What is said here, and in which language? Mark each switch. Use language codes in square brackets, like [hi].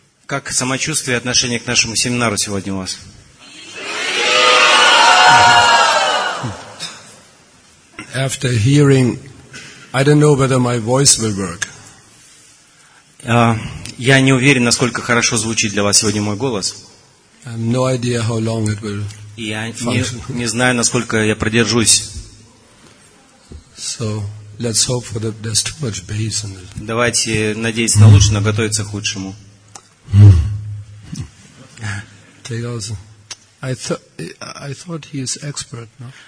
[ru] Как самочувствие и отношение к нашему семинару сегодня у вас? [en] After hearing, I don't know whether my voice will work. [ru] Я не уверен, насколько хорошо звучит для вас сегодня мой голос. [en] I have no idea how long it will [ru] я не знаю, насколько я продержусь. [en] So, let's hope for the, there's too much bass in it. [ru] Давайте надеяться на лучшее, но готовиться к худшему. [en] I thought he is expert, no?